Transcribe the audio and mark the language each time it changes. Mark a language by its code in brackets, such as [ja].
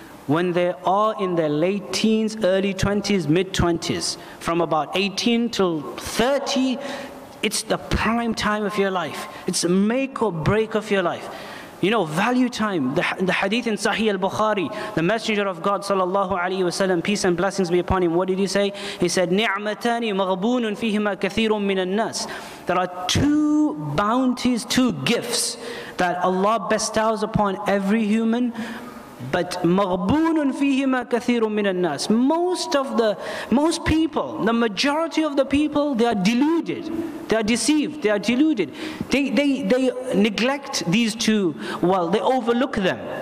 [en] When they are in their late teens, early 20s, mid 20s, from about 18 till 30, it's the prime time of your life. It's a make or break of your life. You know, value time. The hadith in Sahih al-Bukhari, the Messenger of God sallallahu alayhi wa sallam, peace and blessings be upon him. What did he say? He said, [ar] نِعْمَتَانِ مَغْبُونٌ فِيهِمَا كَثِيرٌ مِّنَ النَّاسِ. [en] There are two bounties, two gifts that Allah bestows upon every human, but [ar] مَغْبُونٌ فِيهِمَا كَثِيرٌ مِّنَ النَّاسِ. [en] Most people, the majority of the people, they are deluded. They are deceived, they are deluded. They neglect these two, well, they overlook them.